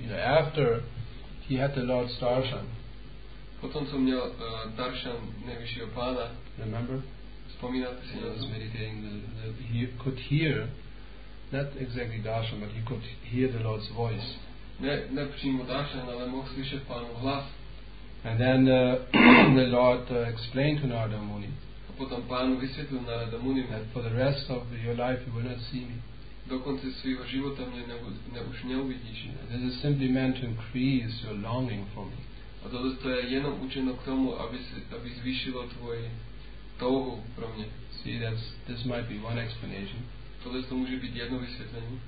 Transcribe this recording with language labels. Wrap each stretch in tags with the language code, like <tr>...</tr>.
<en>You know, after he had the Lord Darshan.</en> <cs>Potom co měl Darshan nejvyššího pána.</cs> <en>Remember?</en> <cs>Vzpomínáte si?</cs> <en>He was meditating. He could hear, not exactly Darshan, but he could hear the Lord's voice.</en> <cs>Ne přímo Darshan, ale mohl slyšet pánu hlas.</cs> <en>And then the Lord explained to Narada Muni.</en> <cs>Potom pán vysvětlil Narada Muni,</cs> <en>that for the rest of your life you will not see me.</en> <cs>Do konce svého života mě už neuvidíš.</cs> <en>This is simply meant to increase your longing for me.</en> <cs>A to je jenom učeno k tomu, aby zvýšilo tvoje touhu pro mě.</cs> <en>See, this might be one explanation.</en> <cs>To může být jedno vysvětlení.</cs>